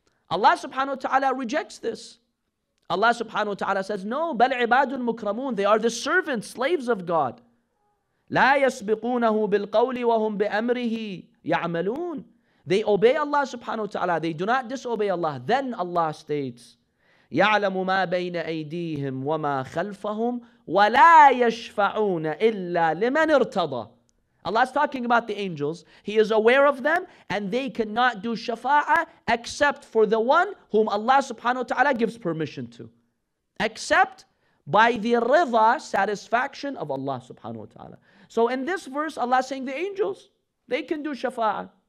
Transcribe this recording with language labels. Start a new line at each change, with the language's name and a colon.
English: Allah subhanahu wa ta'ala rejects this. Allah subhanahu wa ta'ala says, No,
Arabic: بَلْ عِبَادٌ مُكْرَمُونَ
English: They are the servants, slaves of God.
Arabic: لَا يَسْبِقُونَهُ بِالْقَوْلِ وَهُمْ بِأَمْرِهِ يَعْمَلُونَ
English: They obey Allah subhanahu wa ta'ala. They do not disobey Allah. Then Allah states,
Arabic: يَعْلَمُ مَا بَيْنَ أَيْدِيهِمْ وَمَا خَلْفَهُمْ وَلَا يَشْفَعُونَ إِلَّا لِمَنْ ارْتَضَى
English: Allah is talking about the angels. He is aware of them and they cannot do shafa'a except for the one whom Allah subhanahu wa ta'ala gives permission to. Except by the rida, satisfaction of Allah subhanahu wa ta'ala. So in this verse, Allah is saying the angels, they can do shafa'a.